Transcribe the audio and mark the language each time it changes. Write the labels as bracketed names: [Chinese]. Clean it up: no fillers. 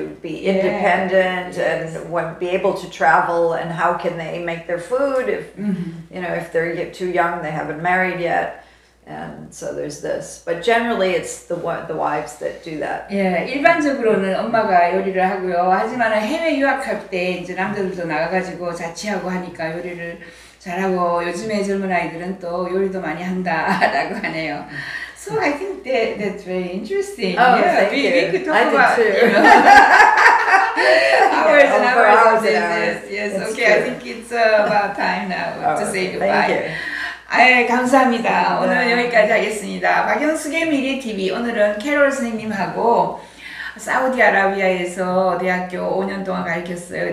[English] to be independent yeah. and what be able to travel, and how can they make their food if mm-hmm. you know, if they're too young, they haven't married yet, and so there's this. But generally it's the wives that do that. [Korean] Yeah, 일반적으로는 엄마가 요리를 하고요. 하지만 해외 유학할 때 이제 남자들도 나가가지고 자취하고 하니까 요리를 잘하고 요즘에 젊은 아이들은 또 요리도 많이 한다라고 하네요. [English] So I think that's very interesting. Oh, yeah, we, you. We could talk about too. You know, hours and hours of hours. Yes, it's okay. True. I think it's about time now to say goodbye. Thank you. [Korean] 아, 감사합니다. 오늘은 여기까지 하겠습니다. 박영숙의 미래 TV. 오늘은 캐롤 선생님하고 사우디아라비아에서 대학교 5년 동안 가르쳤어요.